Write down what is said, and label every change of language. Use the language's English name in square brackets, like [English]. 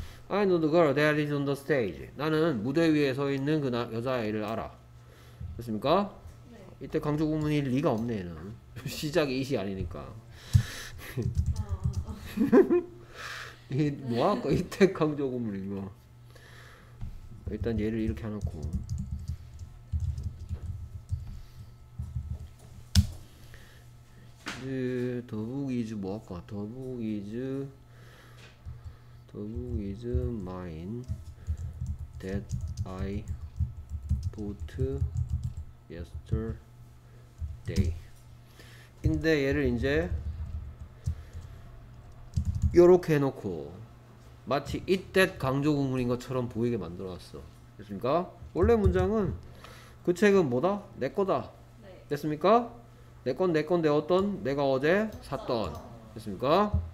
[English] 아이 know the girl that is on the stage. [Korean] 나는 무대 위에 서 있는 그 여자아이를 알아. 됐습니까? 네. 이때 강조 구문일 리가 없네, 얘는. 시작이 이시 아니니까. 이 뭐야? 네. 이때 강조 구문 이거. 일단 얘를 이렇게 해놓고. 이제 [English] 더 book is [Korean] 뭐 할까? [English] 더 book is The book is mine that I bought yesterday. [Korean] 근데 얘를 이제 요렇게 해놓고 마치 it that 강조구문인 것처럼 보이게 만들어놨어. 됐습니까? 원래 문장은 그 책은 뭐다? 내 거다. 됐습니까? 내 건 내 건데 어떤 내가 어제 샀던. 됐습니까?